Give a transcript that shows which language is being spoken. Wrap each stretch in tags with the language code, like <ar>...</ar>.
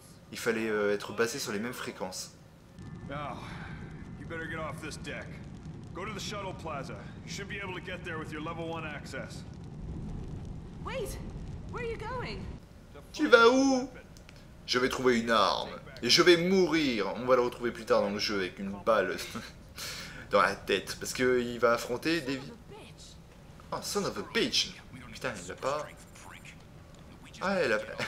<fr>Il fallait être basé sur les mêmes fréquences.</fr> <en>Now, you better get off this deck. Go to the shuttle plaza. You should be able to get there with your level 1 access. Wait, where are you going?</en> <fr>Tu vas où? Je vais trouver une arme. Et je vais mourir. On va le retrouver plus tard dans le jeu avec une balle dans la tête. Parce qu'il va affronter des...</fr> <en>Oh, son of a bitch.</en> <fr>Putain, il a pas... Ah, elle a...</fr>